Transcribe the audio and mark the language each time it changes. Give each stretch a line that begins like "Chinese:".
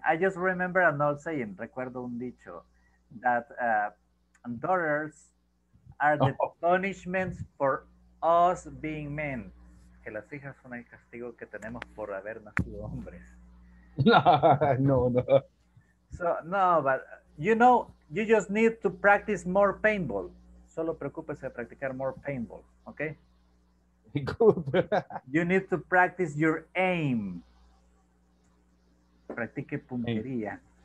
English: I just remember an old saying,
Spanish: recuerdo un dicho,
English: that daughters are the punishments for us being men.
Spanish: Que las hijas son el castigo que tenemos por haber nacido hombres. No.
English: But you know, you just need to practice more paintball.
Spanish: Solo preocúpese de practicar
English: more paintball,
Spanish: okay?
English: Good. You need to practice your aim.
Spanish: Practique puntería.